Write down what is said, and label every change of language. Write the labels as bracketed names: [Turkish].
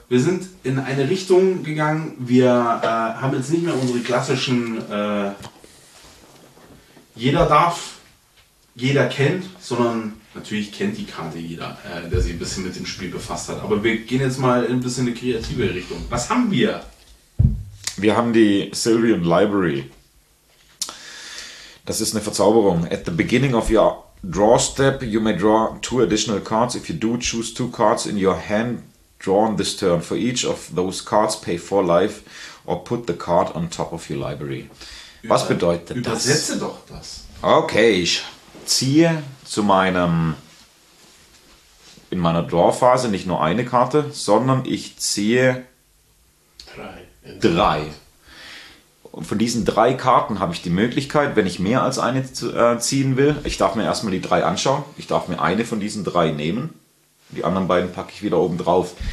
[German] Wir sind in eine Richtung gegangen. Wir haben jetzt nicht mehr unsere klassischen jeder darf, jeder kennt, sondern natürlich kennt die Karte jeder, der sich ein bisschen mit dem Spiel befasst hat. Aber wir gehen jetzt mal ein bisschen in eine kreative Richtung. Was haben wir? Wir haben die Sylvian Library. Das ist eine Verzauberung. [English] At the beginning of your draw step, you may draw two additional cards. If you do, choose two cards in your hand drawn this turn. For each of those cards, pay four life or put the card on top of your library. [German] Was bedeutet übersetze Übersetze doch das. Okay, ich ziehe zu meinem, in meiner Draw-Phase nicht nur eine Karte, sondern ich ziehe drei. Und von diesen drei Karten habe ich die Möglichkeit, wenn ich mehr als eine ziehen will, ich darf mir erstmal die drei anschauen, ich darf mir eine von diesen drei nehmen, die anderen beiden packe ich wieder oben drauf.